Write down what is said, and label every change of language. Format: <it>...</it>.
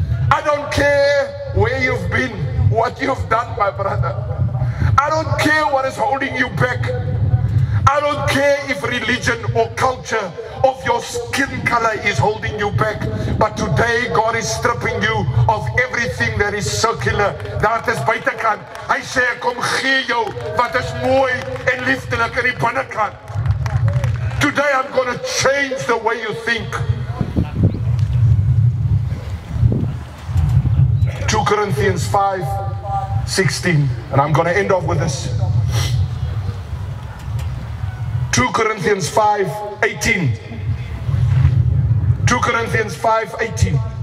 <en>I don't care where you've been, what you've done, my brother. I don't care what is holding you back. I don't care if religion or culture of your skin color is holding you back. But today God is stripping you of everything that is circular. That is</en> <af>buitenkant. Hy sê, kom gee jou wat is mooi en liefdelik in die binnekant.</af> <en>Today I'm going to change the way you think. 2 Corinthians 5, 16. And I'm going to end off with this. 2 Corinthians 5, 18. 2 Corinthians 5, 18.</en>